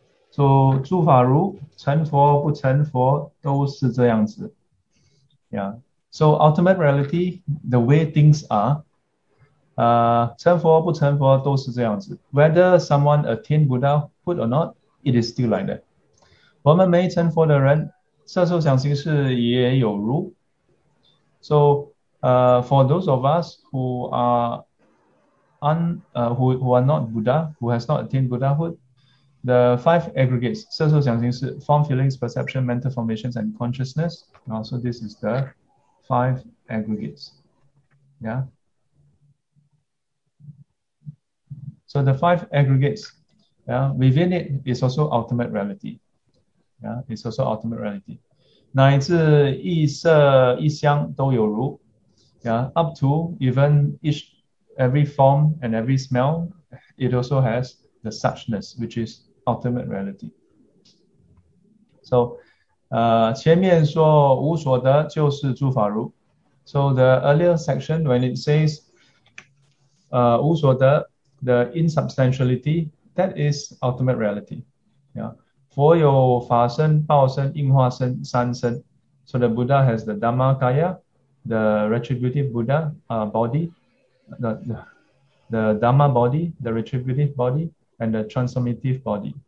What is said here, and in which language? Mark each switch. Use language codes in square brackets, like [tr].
[zh] So 诸法如, 成佛不成佛, 都是这样子. [en] So ultimate reality, the way things are. [zh] 成佛不成佛都是这样子. [en] Whether someone attained Buddha hood or not, it is still like that. [zh] 我们没成佛的人, 色受想行识也有如. [en] So for those of us who are not Buddha, who has not attained Buddhahood, the five aggregates, 色受想行识, form, feelings, perception, mental formations, and consciousness. So this is the five aggregates. So the five aggregates, within it is also ultimate reality. It's also ultimate reality. [zh] 乃至异色异香都有如， [en] yeah, up to even each every form and every smell, it also has the suchness, which is ultimate reality. [zh] So, 前面说无所得就是诸法如。 [en] So the earlier section when it says, 无所得 the insubstantiality, that is ultimate reality. Yeah. [zh] 佛有法身、报身、应化身三身， [en] so the Buddha has the Dhammakaya, the retributive Buddha body, the Dhamma body, the retributive body, and the transformative body.